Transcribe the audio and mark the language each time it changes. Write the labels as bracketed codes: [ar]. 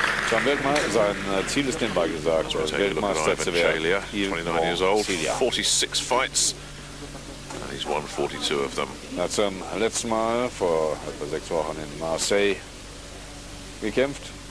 [de] Sein Weltmeister, sein Ziel ist nebenbei gesagt, Weltmeister zu werden. [en] Chalia, 29 years old, 46 fights, and he's won 42 of them. [de] Er hat zum letzten Mal vor etwa 6 Wochen in Marseille gekämpft.